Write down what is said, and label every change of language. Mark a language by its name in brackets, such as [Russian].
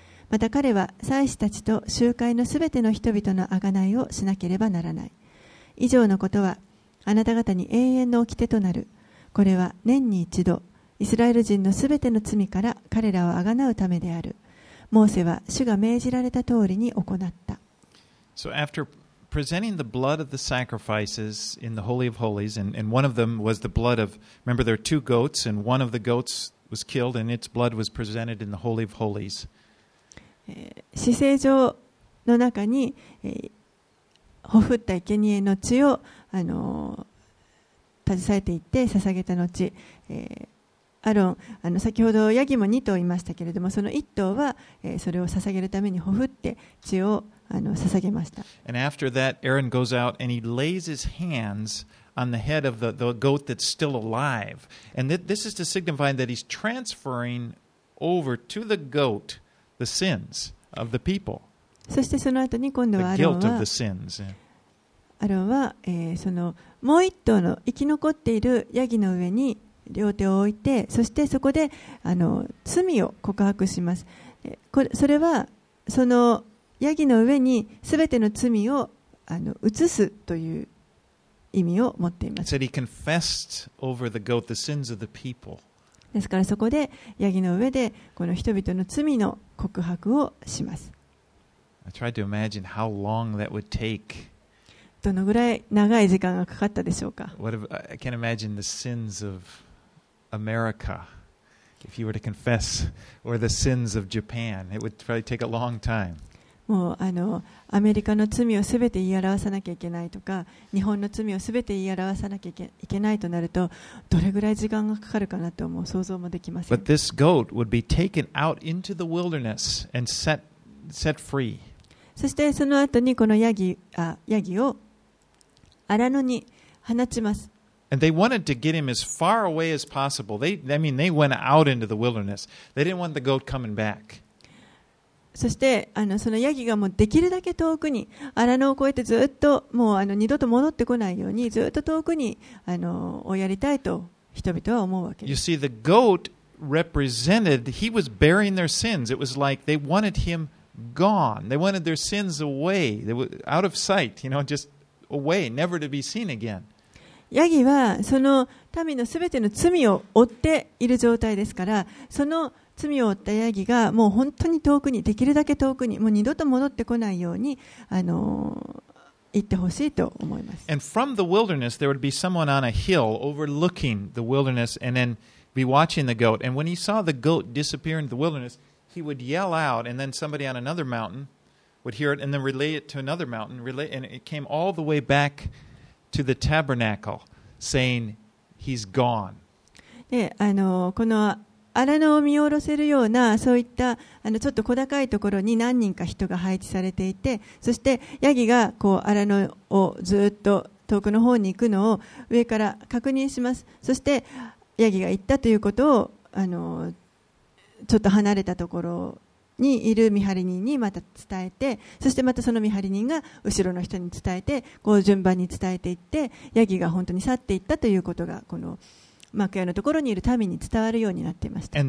[Japanese] また彼は祭司たちと集会のすべての人々の贖いをしなければならない。以上のことはあなた方に永遠の掟となる。これは年に一度イスラエル人のすべての罪から彼らを贖うためである。モーセは主が命じられた通りに行った。 [English] So after presenting the blood of the sacrifices in the Holy of Holies, and one of them was the blood of, remember there are two goats, and one of the goats was killed, and its blood was presented in the Holy of Holies. [Japanese] 至聖所の中に、ほふった生贄の血を、携えていって捧げた後、アロン、先ほどヤギも2頭いましたけれども、その1頭は、それを捧げるためにほふって血を捧げました。 [English] And after that, Aaron goes out and he lays his hands on the head of the goat that's still alive. And this is to signify that he's transferring over to the goat the sins of the people. [Japanese] そしてその後に今度はアロンは、そのもう一頭の生き残っているヤギの上に両手を置いて、そしてそこで罪を告白します。それはそのヤギの上にすべての罪を移すという意味を持っています。 [English] Said he confessed over the goat the sins of the people. [Japanese] ですからそこでヤギの上でこの人々の罪の告白をします。 [English] I tried to imagine how long that would take. [Japanese] どのぐらい長い時間がかかったでしょうか。 [English] I can't imagine the sins of America. If you were to confess or the sins of Japan, it would probably take a long time. [Japanese] もうアメリカの罪をすべて言い表さなきゃいけないとか、日本の罪をすべて言い表さなきゃいけないとなると、どれぐらい時間がかかるかなと思う、想像もできません。 [English] But this goat would be taken out into the wilderness and set free. [Japanese] そしてその後にこのヤギを荒野に放ちます。 [English] And they wanted to get him as far away as possible. They went out into the wilderness. They didn't want the goat coming back. [Japanese] そしてそのヤギがもうできるだけ遠くに荒野を越えてずっともう二度と戻ってこないようにずっと遠くにをやりたいと人々は思うわけです。 [English] You see, the goat represented, he was bearing their sins. It was like they wanted him gone. They wanted their sins away. They were out of sight, you know, just away, never to be seen again. ヤギはその民のすべての罪を負っている状態ですから、その罪を負ったヤギがもう本当に遠くに、できるだけ遠くに、もう二度と戻ってこないように行ってほしいと思います。 And from the wilderness, there would be someone on a hill overlooking the wilderness and then be watching the goat. And when he saw the goat disappear into the wilderness, he would yell out, and then somebody on another mountain would hear it and then relay it to another mountain, and it came all the way back. To the tabernacle, saying, "He's gone." [Japanese] で、この荒野を見下ろせるようなそういったちょっと小高いところに何人か人が配置されていて、そしてヤギがこう荒野をずっと遠くの方に行くのを上から確認します。そしてヤギが行ったということをちょっと離れたところにいる見張り人にまた伝えて、そしてまたその見張り人が後ろの人に伝えて、こう順番に伝えていって、ヤギが本当に去っていったということがこの幕屋のところにいる民に伝わるようになっていました。